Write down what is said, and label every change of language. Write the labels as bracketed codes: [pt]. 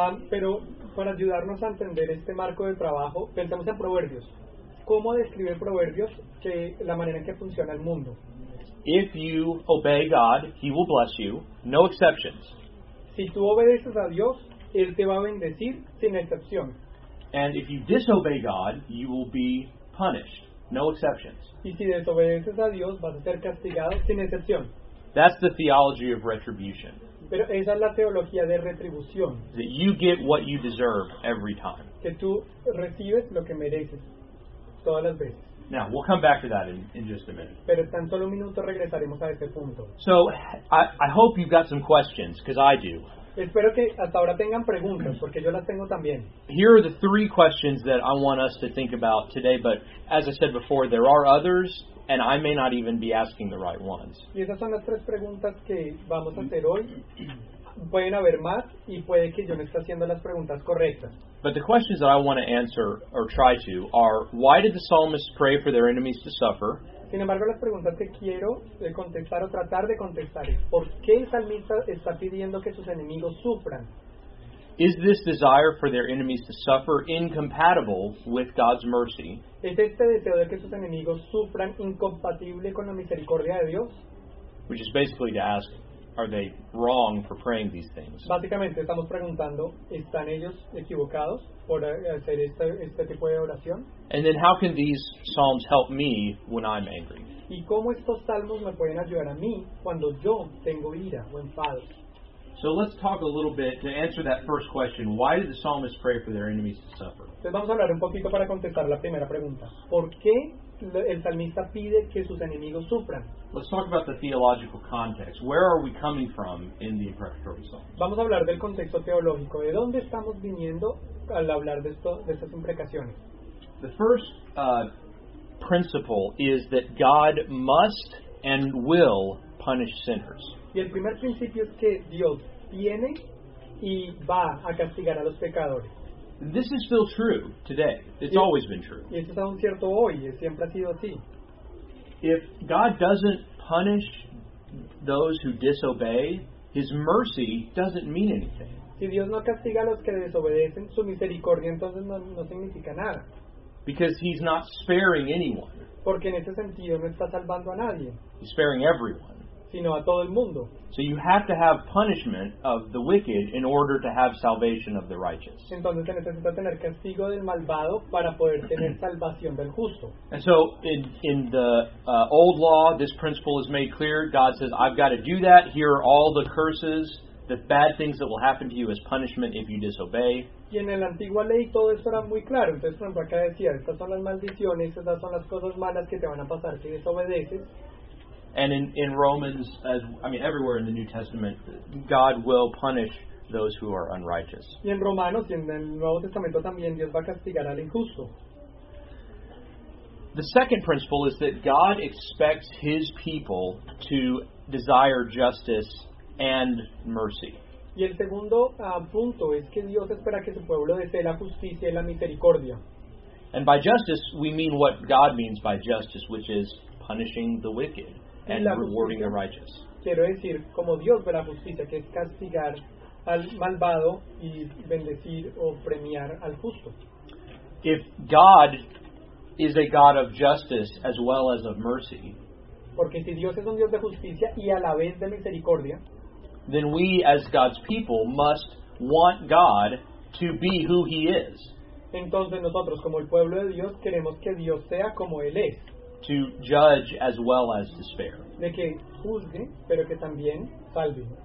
[es] Pero para ayudarnos a entender este marco de trabajo, pensemos en Proverbios. ¿Cómo describe Proverbios que la manera en que funciona el mundo? [en] If you obey God, He will bless you. No exceptions. [es] Si tú obedeces a Dios, Él te va a bendecir sin excepción. [en] And if you disobey God, you will be punished. No exceptions. [es] Y si desobedeces a Dios, vas a ser castigado sin excepción. [en] That's the theology of retribution. [es] Pero esa es la teología de retribución. [en] That you get what you deserve every time. [es] Que tú recibes lo que mereces todas las veces. [en] Now, we'll come back to that in just a minute. [es] Pero tan solo un minuto regresaremos a este punto. [en] So, I hope you've got some questions, because I do. [es] Espero que hasta ahora tengan preguntas, porque yo las tengo también. [en] Here are the three questions that I want us to think about today, but as I said before, there are others, and I may not even be asking the right ones. [es] Y esas son las tres preguntas que vamos a hacer hoy. Pueden haber más, y puede que yo no esté haciendo las preguntas correctas. [en] But the questions that I want to answer, or try to, are, why did the psalmists pray for their enemies to suffer? [es] Sin embargo, las preguntas que quiero contestar o tratar de contestar es, ¿por qué el salmista está pidiendo que sus enemigos sufran? [en] Is this desire for their enemies to suffer incompatible with God's mercy? [es] ¿Es este deseo de que sus enemigos sufran incompatible con la misericordia de Dios? [en] Which is basically to ask, are they wrong for praying these things? [es] Básicamente estamos preguntando, ¿están ellos equivocados por hacer este tipo de oración? [en] And then how can these psalms help me when I'm angry? [es] ¿Y cómo estos salmos me pueden ayudar a mí cuando yo tengo ira o enfado? [en] So let's talk a little bit to answer that first question, why did the psalmist pray for their enemies to suffer? [es] Entonces vamos a hablar un poquito para contestar la primera pregunta. ¿Por qué el salmista pide que sus enemigos sufran? [en] Let's talk about the theological context. Where are we coming from in the imprecatory psalms? [es] Vamos a hablar del contexto teológico. ¿De dónde estamos viniendo al hablar de estas imprecaciones? [en] The first principle is that God must and will punish sinners. [es] Y el primer principio es que Dios tiene y va a castigar a los pecadores. [en] This is still true today. It's always been true. [es] Y esto es aún cierto hoy. Siempre ha sido así. [en] If God doesn't punish those who disobey, His mercy doesn't mean anything. [es] Si Dios no castiga a los que desobedecen, su misericordia entonces no significa nada. [en] Because He's not sparing anyone. [es] Porque en ese sentido no está salvando a nadie. [en] He's sparing everyone. [es] sino a todo el mundo. [en] So you have to have punishment of the wicked in order to have salvation of the righteous. [es] Entonces se necesita tener castigo del malvado para poder tener salvación del justo. [en] And so in the old law, this principle is made clear. God says, I've got to do that. Here are all the curses, the bad things that will happen to you as punishment if you disobey. [es] Y en la antigua ley todo esto era muy claro. Entonces, por ejemplo, acá decía, estas son las maldiciones, estas son las cosas malas que te van a pasar si desobedeces. [en] And in Romans, as I mean, everywhere in the New Testament, God will punish those who are unrighteous. [es] Y en Romanos, y en el Nuevo Testamento también, Dios va a castigar al injusto. [en] The second principle is that God expects His people to desire justice and mercy. [es] Y el segundo punto es que Dios espera que su pueblo desee la justicia y la misericordia. [en] And by justice, we mean what God means by justice, which is punishing the wicked and rewarding the righteous. [es] Quiero decir, como Dios ve la justicia, que es castigar al malvado y bendecir o premiar al justo. [en] If God is a God of justice as well as of mercy, [es] porque si Dios es un Dios de justicia y a la vez de misericordia, [en] then we as God's people must want God to be who He is. [es] Entonces nosotros como el pueblo de Dios queremos que Dios sea como Él es. [en] To judge as well as to spare. [es] De que juzgue, pero que también salve.